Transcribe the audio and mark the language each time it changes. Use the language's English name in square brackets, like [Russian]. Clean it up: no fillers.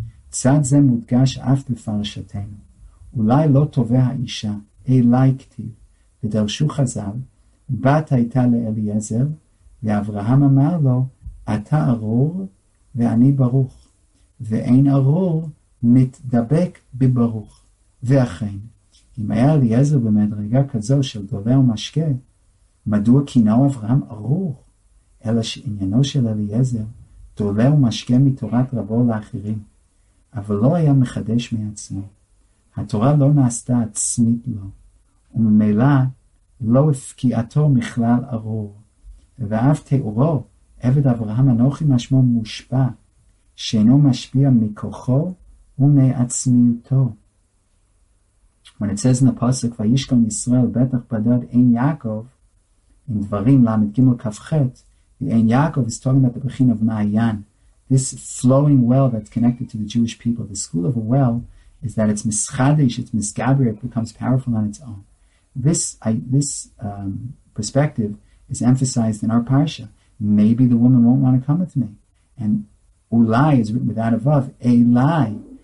[Hebrew] Tzad zeh mudgash af b'farshatenu. Ulai lo tove ha'isha, elai k'tiv. V'darshu chazal, bat hayta le'Eliezer, v'Avraham amar lo, ata arur, ואני ברוך, ואין ארור מתדבק בברוך. ואכן, אם היה אליעזר במדרגה כזו של דובר ומשקה, מדוע כינהו אברהם ארור? אלא שעניינו של אליעזר דובר ומשקה מתורת רבו לאחרים, אבל לא היה מחדש מעצמו. התורה לא נעשתה עצמית לו, וממילא לא הפקיעתו מכלל ארור. ואף תיאורו, עבד אברהם אנוכי משמו מושפע, שאינו משפיע מכוחו ומעצמיותו. [English] When it says in the pasuk, [Hebrew] וישכון ישראל בטח בדד אין יעקב, [English] in דברים למד גימל כפחת, the אין יעקב is talking about the בחין of מעיין. This flowing well that's connected to the Jewish people, the school of a well, is that it's מסחדש, it's מסגבר, it becomes powerful on its own. This perspective is emphasized in our parasha. Maybe the woman won't want to come with me. And Ulai is written without a vav. Elai.